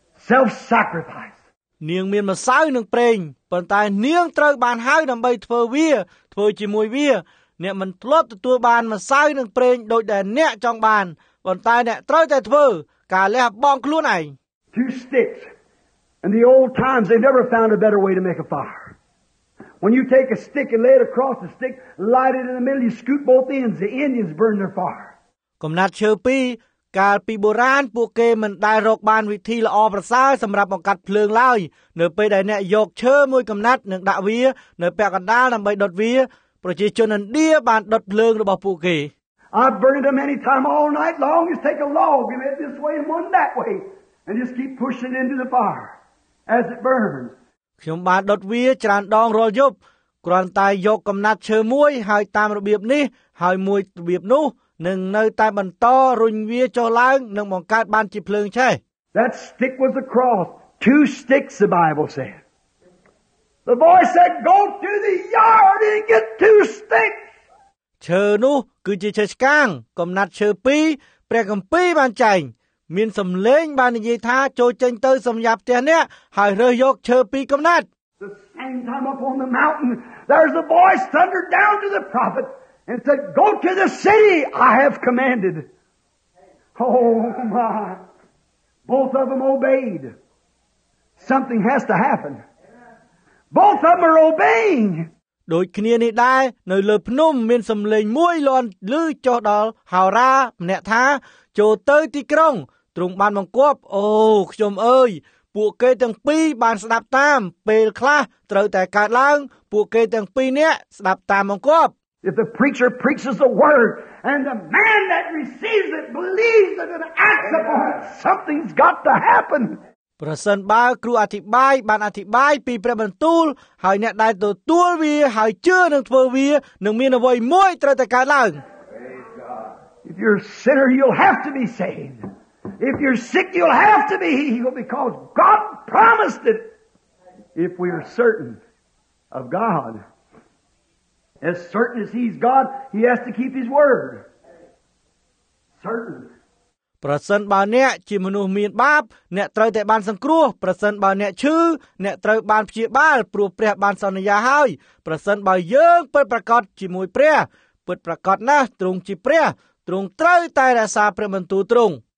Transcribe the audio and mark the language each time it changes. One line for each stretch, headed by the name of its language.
English: Self-sacrifice.
Khmer: នាងមានម្សៅនិងប្រេងប៉ុន្តែនាងត្រូវបានហៅដើម្បីធ្វើវាធ្វើជាមួយវាអ្នកមិនធ្លាប់ទទួលបានម្សៅនិងប្រេងដូចដែលអ្នកចង់បានប៉ុន្តែអ្នកត្រូវតែធ្វើការលះបង់ខ្លួនឯង
English: Two sticks. In the old times, they never found a better way to make a fire. When you take a stick and lay it across the stick, light it in the middle, you scoop both ends. The Indians burn their fire.
Khmer: កំណាត់ឈើ2កាលពីបុរាណពួកគេមិនដែលរកបានវិធីល្អប្រសើរសម្រាប់បង្កាត់ភ្លើងឡើយនៅពេលដែលអ្នកយកឈើមួយកំណាត់និងដាក់វានៅពាក់កណ្ដាលដើម្បីដុតវាប្រជាជនឥណ្ឌាបានដុតភ្លើងរបស់ពួកគេ
English: I've burned them many times all night long just take a log and this way and one that way and just keep pushing into the fire as it burns
Khmer: ខ្ញុំបានដុតវាច្រើនដងរាល់យប់គ្រាន់តែយកកំណាត់ឈើមួយហើយតាមរបៀបនេះហើយមួយរបៀបនោះនឹងនៅតែបន្តរុញវាចុះឡើងនឹងបង្កើតបានជាភ្លើងឆេះ
English: That stick was the cross. Two sticks the Bible said. The boy said go to the yard and get two sticks.
Khmer: ឈើនោះគឺជាឈើឆ្កាងកំណាត់ឈើ2ព្រះគម្ពីរបានចែងមានសំឡេងបាននិយាយថាចូលចេញទៅសម្យ៉ាប់ផ្ទះនេះហើយរើសយកឈើ2កំណាត់
English: The same time up on the mountain there's a voice thundered down to the prophet. And said, go to the city I have commanded. Oh my. Both of them obeyed. Something has to happen. Both of them are obeying.
Khmer: ដូចគ្នានេះដែរនៅលើភ្នំមានសំឡេងមួយលាន់ឮចុះដល់ហោរាម្នាក់ថាចូលទៅទីក្រុងទ្រង់បានបង្គាប់អូខ្ញុំអើយពួកគេទាំងពីរបានស្ដាប់តាមពេលខ្លះត្រូវតែកើតឡើងពួកគេទាំងពីរនាក់ស្ដាប់តាមបង្គាប់
English: If the preacher preaches the word and the man that receives it believes it and acts upon it, something's got to happen.
Khmer: ប្រសិនបើគ្រូអធិប្បាយបានអធិប្បាយពីព្រះបន្ទូលហើយអ្នកដែលទទួលវាហើយជឿនឹងធ្វើវានឹងមានអ្វីមួយត្រូវតែកើតឡើង
English: If you're a sinner, you'll have to be saved. If you're sick, you'll have to be healed because God promised it. If we are certain of God, As certain as he's God, he has to keep his word. Certain.
Khmer: ប្រសិនបើអ្នកជាមនុស្សមានបាបអ្នកត្រូវតែបានសង្គ្រោះប្រសិនបើអ្នកឈឺអ្នកត្រូវបានព្យាបាលព្រោះព្រះបានសន្យាហើយប្រសិនបើយើងពិតប្រាកដជាមួយព្រះពិតប្រាកដណាស់ទ្រង់ជាព្រះទ្រង់ត្រូវតែរក្សាព្រះបន្ទូលទ្រង់